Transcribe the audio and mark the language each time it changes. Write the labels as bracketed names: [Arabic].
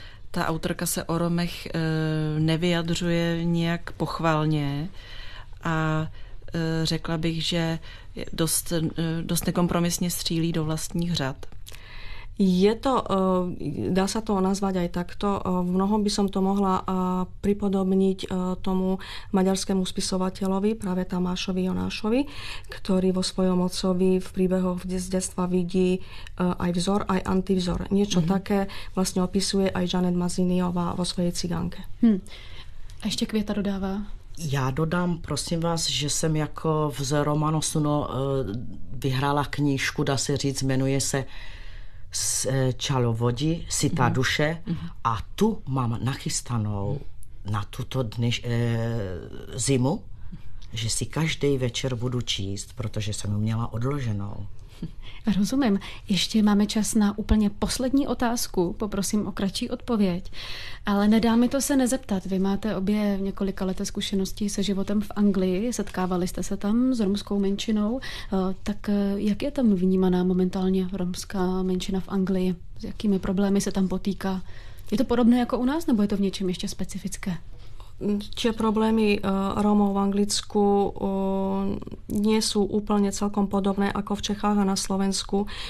[Czech] Ta autorka se o Romech nevyjadřuje nějak pochvalně a řekla bych, že dost nekompromisně střílí do vlastních řad. [Slovak] Je to, dá sa to nazvať aj takto, v mnohom by som to mohla pripodobniť tomu maďarskému spisovateľovi, práve Tamášovi Jonášovi, ktorý vo svojom otcovi v príbehoch z detstva vidí aj vzor, aj antivzor. Niečo také vlastne opisuje aj Janet Mazíniová vo svojej Cigánke. A ešte Květa dodáva. [Czech] Já dodám, prosím vás, že jsem jako v Romano Suno vyhrála knížku, dá se říct, jmenuje se S Čalo vodi, Sitá duše. A tu mám nachystanou na tuto zimu, že si každý večer budu číst, protože jsem ji měla odloženou. Rozumím. Ještě máme čas na úplně poslední otázku. Poprosím o kratší odpověď. Ale nedá mi to se nezeptat. Vy máte obě několika leté zkušenosti se životem v Anglii. Setkávali jste se tam s romskou menšinou. Tak jak je tam vnímaná momentálně romská menšina v Anglii? S jakými problémy se tam potýká? Je to podobné jako u nás, nebo je to v něčem ještě specifické? [Slovak] Tie problémy Rómov v Anglicku nie sú úplne celkom podobné ako v Čechách a na Slovensku.